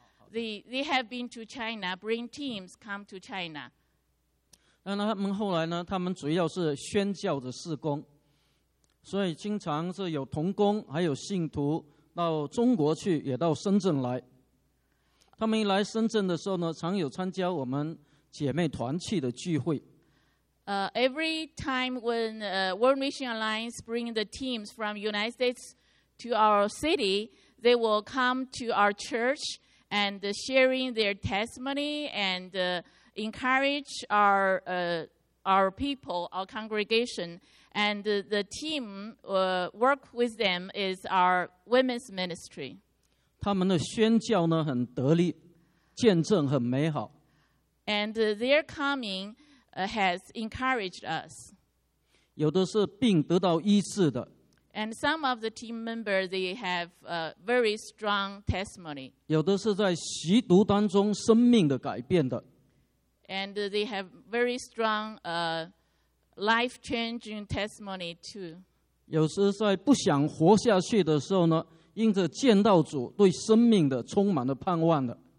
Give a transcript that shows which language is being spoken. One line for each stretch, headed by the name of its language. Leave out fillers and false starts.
English: They have been to China, bring teams come to China.
Chinese: 那他们后来呢？他们主要是宣教的事工，所以经常是有同工还有信徒到中国去，也到深圳来。他们一来深圳的时候呢，常有参加我们姐妹团契的聚会。
English: Every time when World Mission Alliance bring the teams from United States to our city, they will come to our church. And sharing their testimony and encourage our our people, our congregation, and the team work with them is our women's ministry.
Chinese: 他们的宣教呢很得力，见证很美好。
English: And their coming has encouraged us.
Chinese: 有的是病得到医治的。
English: And some of the team members, they have a very strong testimony.
Chinese: 有的是在吸毒当中生命的改变的。
English: And they have very strong life-changing testimony too.
Chinese: 有时在不想活下去的时候呢，因着见到主，对生命的充满了盼望的。